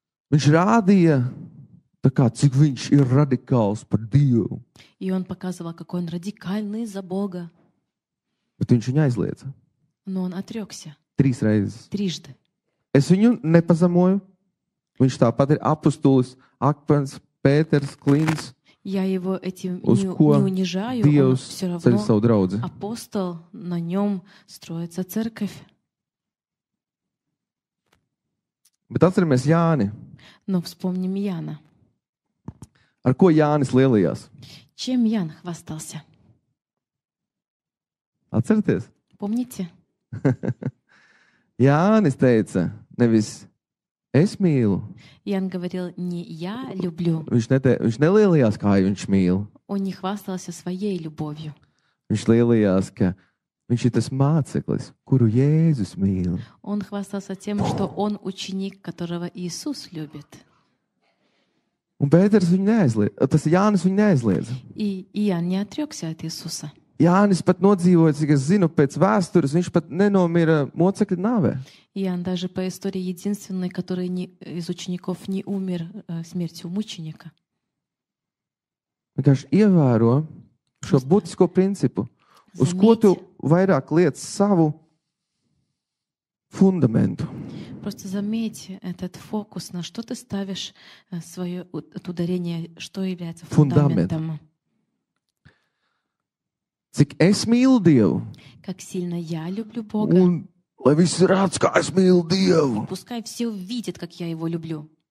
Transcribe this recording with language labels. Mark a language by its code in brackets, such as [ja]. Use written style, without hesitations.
[lv] Viņš rādīja, tā kā, cik viņš ir radikāls par Dievu. [ru] И он показывал, какой он радикальный за Бога. [lv] Bet viņš viņu aizliedza. [ru] Но он отрёкся. [lv] Trīs reizes. [ru] Трижды. [lv] Es viņu nepazemoju. Viņš tāpat ir apustulis, Akpens, Pēters, Klins. [ru] Я его этим не унижаю, Dievs он всё равно апостол, на нём строится церковь. [lv] Bet atceramies Jāni. [ru] Но вспомним Яна. [lv] Ar ko Jānis lielījās? [ru] Чем Ян хвастался? [lv] Atceraties? [ru] Помните? [lv] Jānis teica, nevis es mīlu. [ru] Ян говорил, не я люблю. [lv] Viņš nelielījās, kā viņš mīl. [ru] Он не хвастался своей любовью. [lv] Viņš lielījās, ka Viņš ir tas māceklis, kuru Jēzus mīl. [ru] Он хвастался тем, что он ученик, которого Иисус любит. [lv] Un Pēters viņu neaizliedz. Tas Jānis viņu neaizliedz. [ru] И Ян не отрёкся от Иисуса. [lv] Jānis pat nodzīvoja, cik es zinu, pēc vēstures, viņš pat nenomira mocekļa nāvē. [ru] Ян даже по истории единственный, который не из учеников не умер смертью мученика. [lv] Vienkārši ievēro šo būtisko principu. Zemīti. Uz ko tu vairāk liec savu fundamentu? [ru] Просто заметь этот фокус, на что ты ставишь свое ударение, что является фундаментом. [lv] Cik es mīlu Dievu. [ru] Как сильно я люблю Бога. [lv] Un lai visi rāds, kā es mīlu Dievu. [ru] Пускай все видят, как я его люблю.